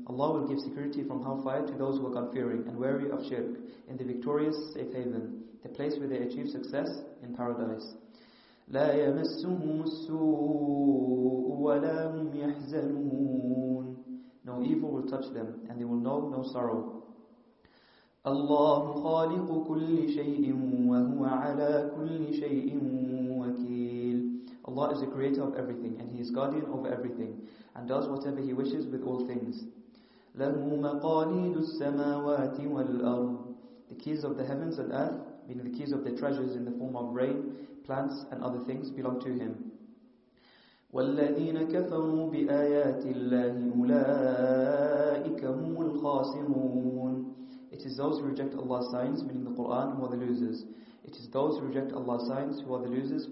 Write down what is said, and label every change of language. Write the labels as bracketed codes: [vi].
[en] Allah will give security from hellfire to those who are God-fearing and wary of shirk in the victorious safe haven, the place where they achieve success in paradise. [ar] لَا يَمَسُّهُمُ السُّوءُ وَلَا هُمْ يَحْزَنُونَ. [en] No evil will touch them and they will know no sorrow. [ar] الله خالق كل شيء وهو على كل شيء وكيل. [en] Allah is the creator of everything and He is guardian over everything and does whatever He wishes with all things. [ar] له مقاليد السماوات والأرض. [en] The keys of the heavens and earth, meaning the keys of their treasures in the form of rain, plants and other things, belong to him. [ar] وَالَّذِينَ كَفَرُوا بِآيَاتِ اللَّهِ أُولَٰئِكَ هُمُ الْخَاسِرُونَ. [en] It is those who reject Allah's signs, meaning the Qur'an, who are the losers. It is those who reject Allah's signs who are the losers.